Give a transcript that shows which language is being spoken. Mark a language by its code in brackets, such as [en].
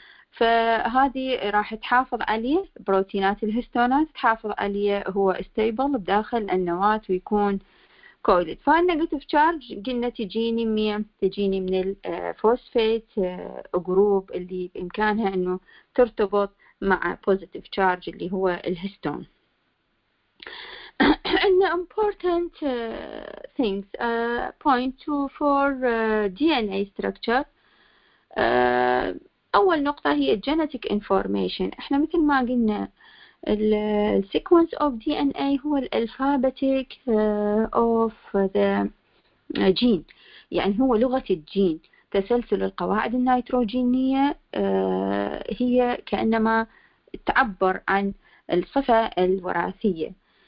[ar] فهذه راح تحافظ عليه بروتينات الهستونات تحافظ عليه هو ستيبل بداخل النواه ويكون كويلد. فالنيجاتيف تشارج قلنا تجيني من الفوسفيت جروب اللي بامكانها انه ترتبط مع بوزيتيف تشارج اللي هو الهستون. عندنا [en] important things point to for DNA structure. [ar] اول نقطة هي genetic information، احنا مثل ما قلنا الـ [en] sequence of DNA [ar] هو الالفابتيك of the gene، يعني هو لغة الجين، تسلسل القواعد النيتروجينية هي كأنما تعبر عن الصفة الوراثية.